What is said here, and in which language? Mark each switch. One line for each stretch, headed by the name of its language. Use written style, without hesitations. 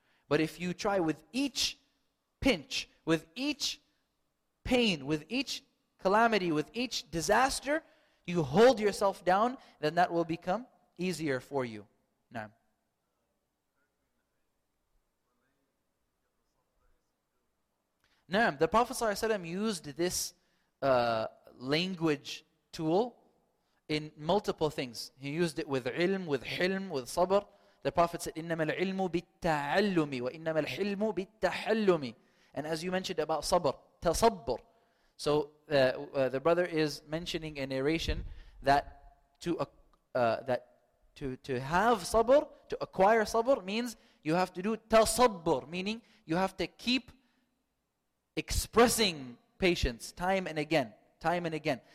English: But if you try with each pinch, with each pain, with each calamity, with each disaster, you hold yourself down, then that will become easier for you. Naam. Naam, the Prophet ﷺ used this language tool in multiple things. He used it with ilm, with hilm, with sabr. The Prophet said,
Arabic: إِنَّمَا الْعِلْمُ بِالتَّعَلُّمِ وَإِنَّمَا الْحِلْمُ بِالتَّحَلُّمِ.
English: And as you mentioned about sabr, tasabbur. So the brother is mentioning a narration that to have sabr, to acquire sabr, means you have to do tasabbur, meaning you have to keep expressing patience time and again, time and again.